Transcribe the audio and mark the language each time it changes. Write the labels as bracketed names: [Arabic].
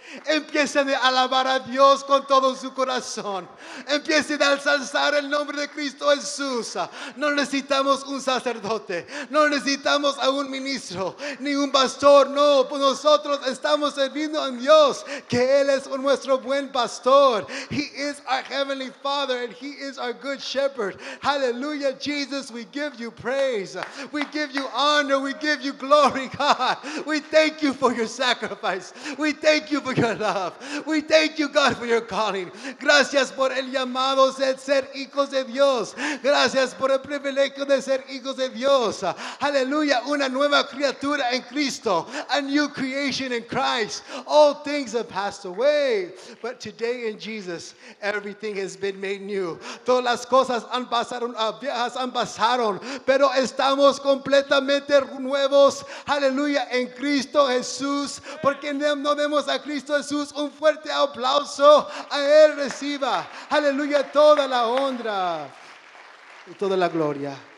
[Spanish] Empiecen a alabar a Dios con todo su corazón. Empiecen a alzar el nombre de Cristo Jesús. No necesitamos un sacerdote. No necesitamos a un ministro, ni un pastor. No, nosotros estamos sirviendo a Dios, que Él es nuestro buen pastor. [English] He is our heavenly Father and He is our good shepherd. Hallelujah, Jesus, we give you praise. We give you honor. We give you glory, God. We thank you for your sacrifice. We thank you for your love. We thank you, God, for your calling. [Spanish] Gracias por el llamado de ser hijos de Dios. Gracias por el privilegio de ser hijos de Dios. Hallelujah, una nueva criatura en Cristo. [English] A new creation in Christ. All things have passed away. But today in Jesus, everything has been made new. [Spanish] Todas las cosas han pasado, viejas han pasado, pero estamos completamente nuevos. Aleluya, en Cristo Jesús. Porque no demos a Cristo Jesús un fuerte aplauso. A Él reciba, aleluya, toda la honra y toda la gloria.